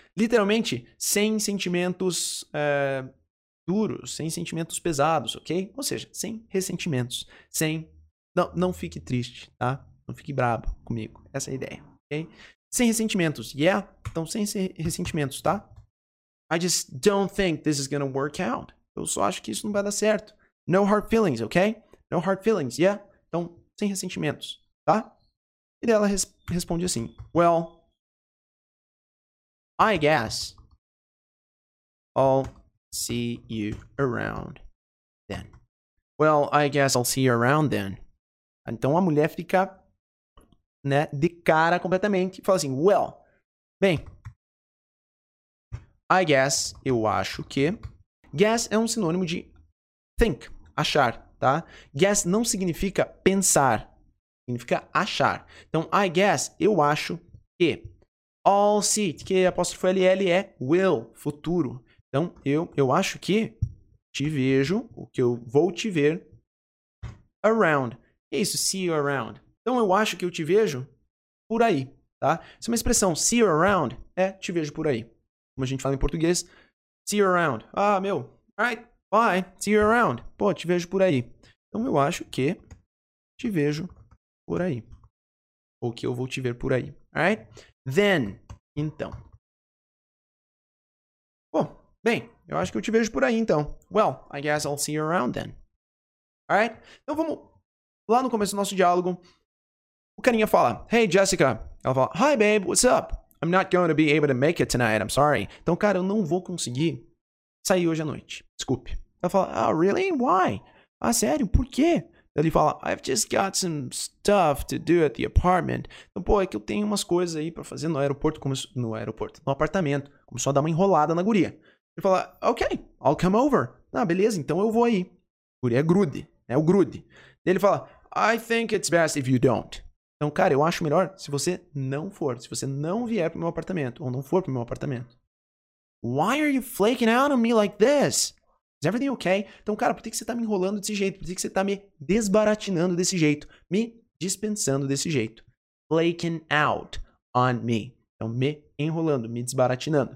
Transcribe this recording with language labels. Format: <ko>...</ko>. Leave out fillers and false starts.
<pt>Literalmente, sem sentimentos duros, sem sentimentos pesados, ok? Ou seja, sem ressentimentos. Sem... Não fique triste, tá? Não fique brabo comigo. Essa é a ideia, ok? Sem ressentimentos, yeah, Então, sem ressentimentos, tá?</pt> <en>I just don't think this is gonna work out.</en> <pt>Eu só acho que isso não vai dar certo.</pt> <en>No hard feelings, ok? No hard feelings, yeah?</en> <pt>Então, sem ressentimentos, tá? E daí ela responde assim,</pt> <en>well, I guess I'll see you around then. Well, I guess I'll see you around then.</en> <pt>Então a mulher fica, né, de cara completamente e fala assim, well, bem, I guess, eu acho que, guess é um sinônimo de think, achar, tá? Guess não significa pensar, significa achar. Então, I guess, eu acho que, I'll see, que apóstrofo LL é will, futuro. Então, eu acho que te vejo, o que eu vou te ver, around. Que é isso, see you around. Então, eu acho que eu te vejo por aí, tá? Isso é uma expressão, see you around, é te vejo por aí. Como a gente fala em português, see you around. Ah, meu,</pt> <en>alright, bye, see you around.</en> <pt>Pô, te vejo por aí. Então, eu acho que te vejo por aí. Ou que eu vou te ver por aí, alright? Then, então. Bom, bem, eu acho que eu te vejo por aí, então.</pt> <en>Well, I guess I'll see you around then. Alright?</en> <pt>Então, vamos lá no começo do nosso diálogo. O carinha fala, hey, Jessica. Ela fala,</pt> <en>hi, babe, what's up? I'm not going to be able to make it tonight, I'm sorry.</en> <pt>Então, cara, eu não vou conseguir sair hoje à noite. Desculpe. Ela fala,</pt> <en>oh, really? Why?</en> <pt>Ah, sério? Por quê? Ele fala,</pt> <en>I've just got some stuff to do at the apartment.</en> <pt>Então, pô, é que eu tenho umas coisas aí pra fazer no aeroporto, como no aeroporto, no apartamento. Começou a dar uma enrolada na guria. Ele fala,</pt> <en>ok, I'll come over.</en> <pt>Ah, beleza, então eu vou aí. A guria é grude, é o grude. Ele fala,</pt> <en>I think it's best if you don't.</en> <pt>Então, cara, eu acho melhor se você não for, se você não vier pro meu apartamento, ou não for pro meu apartamento.</pt> <en>Why are you flaking out on me like this? Is everything okay?</en> <pt>Então, cara, por que você tá me enrolando desse jeito? Por que você tá me desbaratinando desse jeito? Me dispensando desse jeito?</pt> <en>Flaking out on me.</en> <pt>Então, me enrolando, me desbaratinando.</pt>